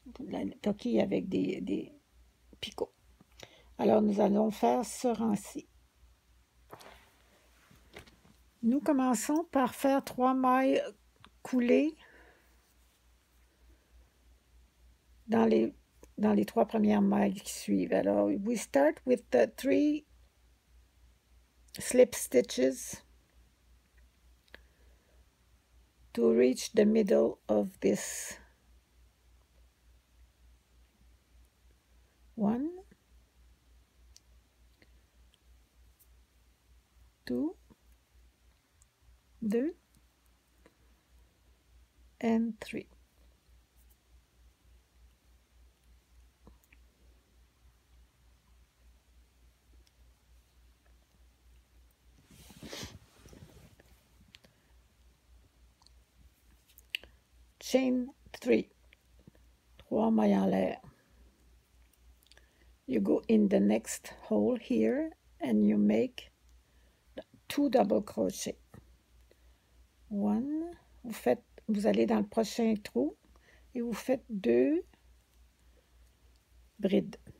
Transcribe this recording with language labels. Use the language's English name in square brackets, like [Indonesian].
[French] La coquille avec des picots. Alors, nous allons faire ce rang-ci. Nous commençons par faire 3 mailles coulées dans les 3 premières mailles qui suivent. [English] Alors, we start with the 3 slip stitches to reach the middle of this. 1, 2, and 3. Chain 3, [French] 3 mailles en l'air. [English] You go in the next hole here and you make 2 double crochets. [French] 1, vous allez dans le prochain trou et vous faites 2 brides.